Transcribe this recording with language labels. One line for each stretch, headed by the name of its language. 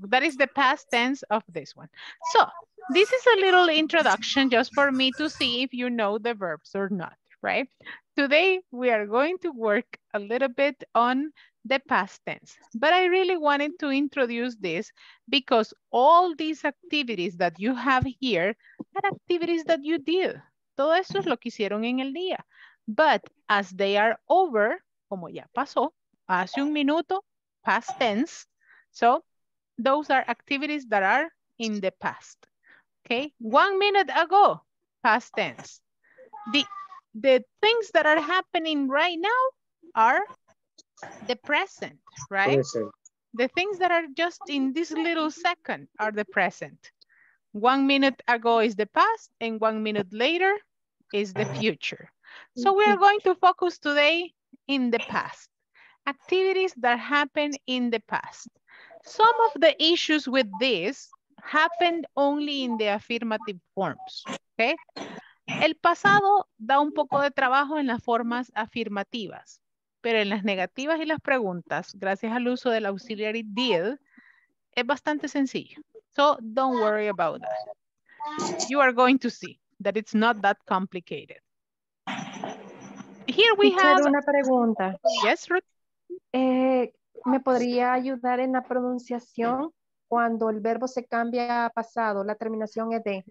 English: That is the past tense of this one. So, this is a little introduction just for me to see if you know the verbs or not, right? Today, we are going to work a little bit on the past tense. But I really wanted to introduce this because all these activities that you have here are activities that you did.
Spanish: Todo eso es lo que hicieron en el día.
English: But as they are over,
Spanish: como ya pasó, hace un minuto,
English: past tense. So those are activities that are in the past. Okay, 1 minute ago, past tense. The things that are happening right now are the present, right? The things that are just in this little second are the present. 1 minute ago is the past, and 1 minute later is the future. So we are going to focus today in the past. Activities that happen in the past. Some of the issues with this happened only in the affirmative forms, okay?
Spanish: El pasado da un poco de trabajo en las formas afirmativas, pero en las negativas y las preguntas, gracias al uso del auxiliary did, es bastante sencillo.
English: So don't worry about that. You are going to see that it's not that complicated. Here we have
Spanish: una pregunta.
English: Yes, Ruth.
Spanish: ¿Me podría ayudar en la pronunciación cuando el verbo se cambia a pasado, la terminación es de?